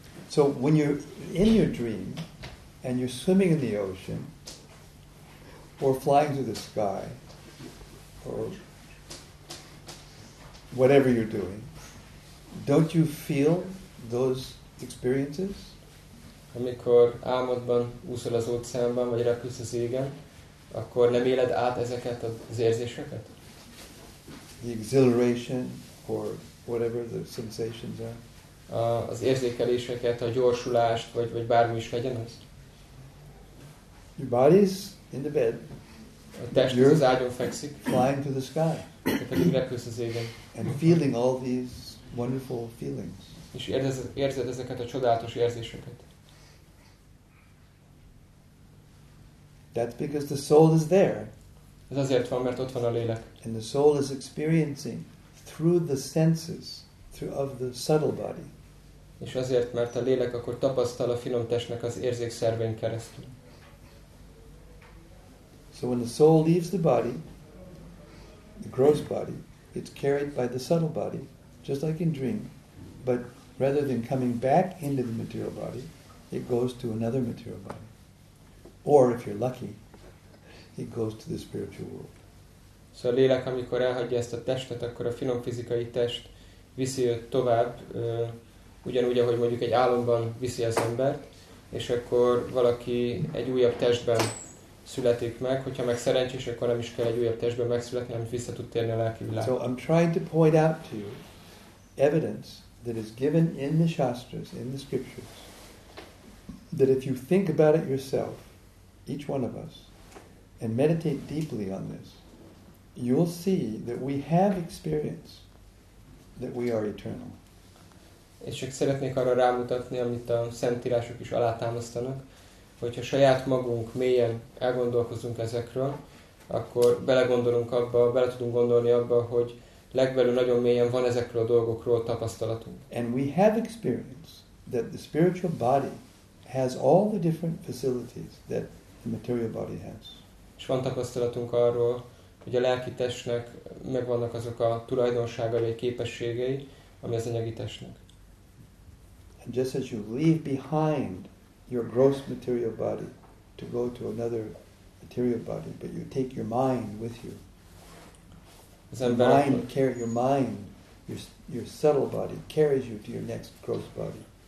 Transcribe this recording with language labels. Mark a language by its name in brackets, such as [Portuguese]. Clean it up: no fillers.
[English] So when you're in your dream and you're swimming in the ocean or flying through the sky or whatever you're doing, don't you feel those experiences? [Hungarian] Amikor álmodban úszol az óceánban vagy repülsz az égen, akkor nem éled át ezeket az érzéseket? [English] The exhilaration or whatever the sensations are. [Hungarian] Az érzékeléseket, a gyorsulást, vagy bármi is legyen az. [English] Your body is in the bed. [Hungarian] A test az ágyon fekszik. [English] Flying to the sky. [Hungarian] Pedig repülsz az égen. [English] And feeling all these wonderful feelings. [Hungarian] És érzed ezeket a csodálatos érzéseket. [English] That's because the soul is there. [Hungarian] Ez azért van, mert ott van a lélek. [English] And the soul is experiencing through the senses, through of the subtle body. [Hungarian] És azért, mert a lélek akkor tapasztal a finom testnek az érzékszervein keresztül. [English] So when the soul leaves the body, the gross body, it's carried by the subtle body, just like in dream, but rather than coming back into the material body, it goes to another material body. Or if you're lucky, it goes to the spiritual world. [Hungarian] So a lélek, amikor elhagyja ezt a testet, akkor a finom fizikai test viszi őt tovább, ugyanúgy, ahogy mondjuk egy álomban viszi az embert, és akkor valaki egy újabb testben születik meg, hogyha meg szerencsés, akkor nem is kell egy újabb testben megszületni, hanem vissza tud térni a lelki világba. [English] So I'm trying to point out to you evidence that is given in the Shastras, in the scriptures, that if you think about it yourself, each one of us, and meditate deeply on this, you'll see that we have experience that we are eternal. [Hungarian] És csak szeretnék arra rámutatni, amit a szentírások is alátámasztanak, hogyha saját magunk mélyen elgondolkozunk ezekről, akkor belegondolunk abba, bele tudunk gondolni abba, hogy legbelül nagyon mélyen van ezekről a dolgokról tapasztalatunk. [English] And we have experience that the spiritual body has all the different facilities that the material body has. [Hungarian] És van tapasztalatunk arról, hogy a lelki testnek megvannak azok a tulajdonságai, vagy képességei, ami az anyagi testnek. [English] And just as you leave behind your gross material body to go to another material body, but you take your mind with you. Your subtle body carries you to your next gross body.